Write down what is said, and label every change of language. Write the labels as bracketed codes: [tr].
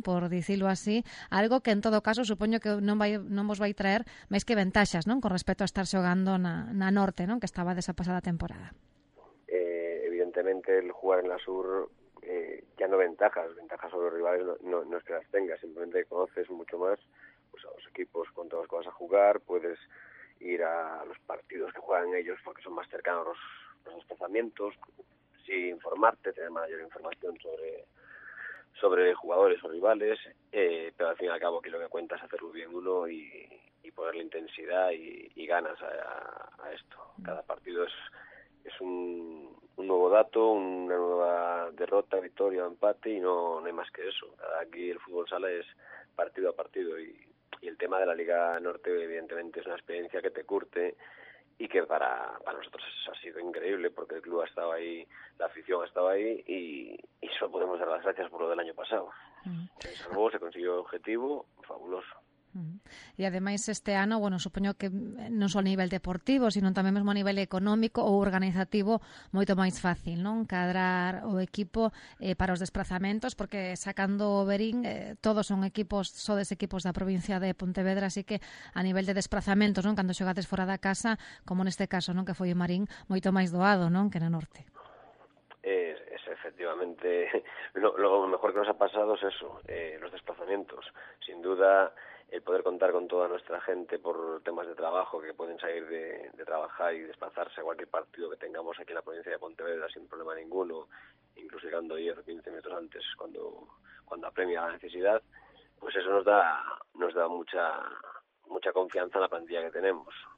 [gl] Por dicilo así, algo que en todo caso supoño que non vos vai traer máis que ventaxas, non? Con respecto a estar xogando na Norte, non? Que estaba desa pasada temporada. [es] Evidentemente, el jugar en la Sur ya no ventajas sobre los rivales no es que las tengas, simplemente conoces mucho más pues, a los equipos con todos los que vas a jugar, puedes ir a los partidos que juegan ellos porque son más cercanos los desplazamientos, sí, informarte, tener mayor información sobre jugadores o rivales, pero al fin y al cabo aquí lo que cuenta es hacerlo bien uno y ponerle intensidad y ganas a esto. Cada partido es un nuevo dato, una nueva derrota, victoria o empate y no hay más que eso. Aquí el fútbol sala es partido a partido y el tema de la Liga Norte evidentemente es una experiencia que te curte y que para nosotros ha sido increíble porque el club ha estado ahí, la afición ha estado ahí y solo podemos dar las gracias por lo del año pasado. Se salvó, se consiguió el objetivo, fabuloso. [gl] E ademais este ano, bueno, supoño que non só a nivel deportivo, sino tamén mesmo a nivel económico ou organizativo, moito máis fácil, non? Cadrar o equipo para os desplazamentos, porque sacando o Berín, todos son equipos, só des equipos da provincia de Pontevedra, así que a nivel de desplazamentos, non? Cando xogades fora da casa, como neste caso, non? Que foi o Marín, moito máis doado, non? Que na Norte. [es] Efectivamente, lo mejor que nos ha pasado es eso, los desplazamientos. Sin duda, el poder contar con toda nuestra gente por temas de trabajo que pueden salir de trabajar y desplazarse a cualquier partido que tengamos aquí en la provincia de Pontevedra sin problema ninguno, incluso llegando 10 o 15 minutos antes cuando apremia la necesidad, pues eso nos da mucha mucha confianza en la plantilla que tenemos,